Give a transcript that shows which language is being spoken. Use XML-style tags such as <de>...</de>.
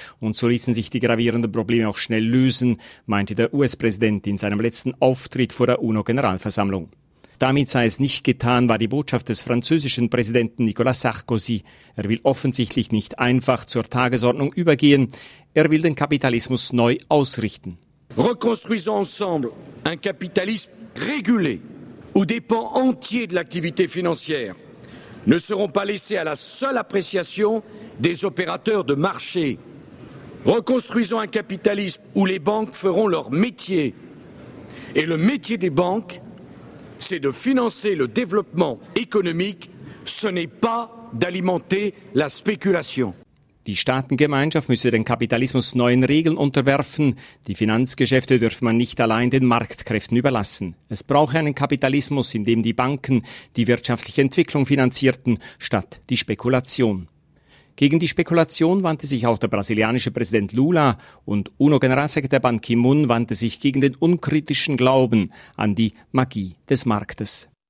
<de>Und so ließen sich die gravierenden Probleme auch schnell lösen, meinte der US-Präsident in seinem letzten Auftritt vor der UNO-Generalversammlung. Damit sei es nicht getan, war die Botschaft des französischen Präsidenten Nicolas Sarkozy. Er will offensichtlich nicht einfach zur Tagesordnung übergehen. Er will den Kapitalismus neu ausrichten.</de> <fr>Reconstruisons ensemble un capitalisme régulé où des pans entiers de l'activité financière ne seront pas laissés à la seule appréciation des opérateurs de marché. Reconstruisons un capitalisme où les banques feront leur métier. Et le métier des banques, c'est de financer le développement économique, ce n'est pas d'alimenter la spéculation.</fr> <de>Die Staatengemeinschaft müsse den Kapitalismus neuen Regeln unterwerfen. Die Finanzgeschäfte dürfe man nicht allein den Marktkräften überlassen. Es brauche einen Kapitalismus, in dem die Banken die wirtschaftliche Entwicklung finanzierten, statt die Spekulation. Gegen die Spekulation wandte sich auch der brasilianische Präsident Lula und UNO-Generalsekretär Ban Ki-moon wandte sich gegen den unkritischen Glauben an die Magie des Marktes.</de>